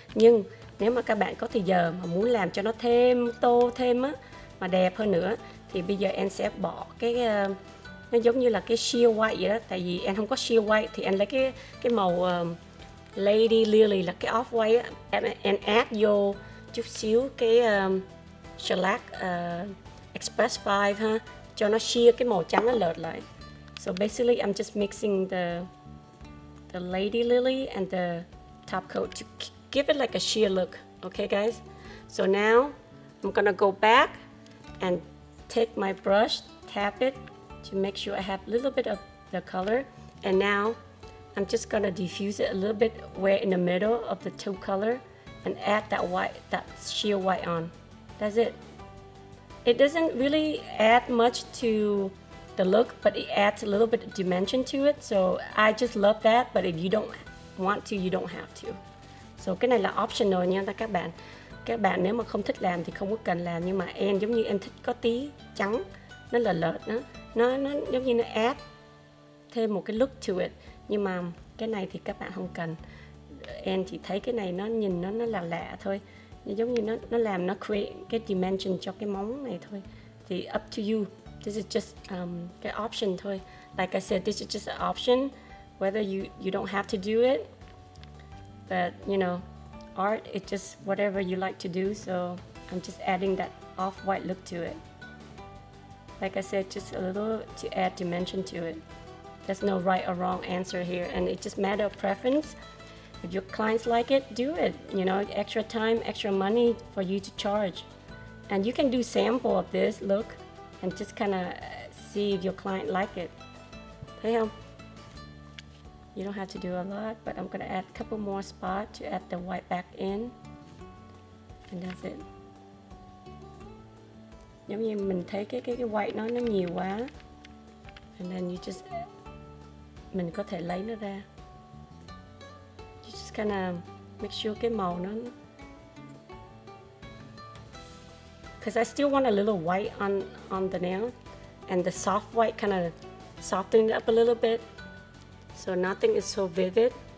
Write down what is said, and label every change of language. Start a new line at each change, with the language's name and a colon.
Vietnamese: Nhưng nếu mà các bạn có thời giờ mà muốn làm cho nó thêm tô thêm á, mà đẹp hơn nữa, thì bây giờ em sẽ bỏ cái nó giống như là cái sheer white vậy đó. Tại vì em không có sheer white thì em lấy cái màu Lady Lily là cái off white á, em add vô chút xíu cái shellac express 5 ha, cho nó sheer, cái màu trắng nó lợt lại.
English: So basically I'm just mixing the Lady Lily and the top coat to give it like a sheer look. Okay guys, so now I'm gonna go back and take my brush, tap it to make sure I have a little bit of the color. And now I'm just gonna diffuse it a little bit where in the middle of the two color and add that white, that sheer white on. That's it. It doesn't really add much to the look, but it adds a little bit of dimension to it. So I just love that, but if you don't want to, you don't have to.
Vietnamese: So cái này là optional nha các bạn. Các bạn nếu mà không thích làm thì không có cần làm, nhưng mà em giống như em thích có tí trắng, nó là lợt đó. Nó giống như nó add thêm một cái
English: look to it.
Vietnamese: Nhưng mà cái này thì các bạn không cần. Em chỉ thấy cái này nó nhìn nó là lạ thôi. Giống như nó làm, nó create cái dimension cho cái móng này thôi. Thì
English: up to you. This is just
Vietnamese: cái option thôi.
English: Like I said, this is just an option. Whether you don't have to do it. But, you know, art, it's just whatever you like to do. So I'm just adding that off-white look to it. Like I said, just a little to add dimension to it. There's no right or wrong answer here, and it's just a matter of preference. If your clients like it, do it. You know, extra time, extra money for you to charge. And you can do sample of this look and just kind of see if your client like it.
Vietnamese: Thấy không?
English: You don't have to do a lot, but I'm gonna add a couple more spots to add the white back in. And that's it.
Vietnamese: Giống như mình thấy cái white nó nhiều quá.
English: And then you just,
Vietnamese: mình có thể lấy nó ra.
English: You just kind of make sure
Vietnamese: cái màu nó,
English: because I still want a little white on the nail. And the soft white kind of softened up a little bit, so nothing is so vivid.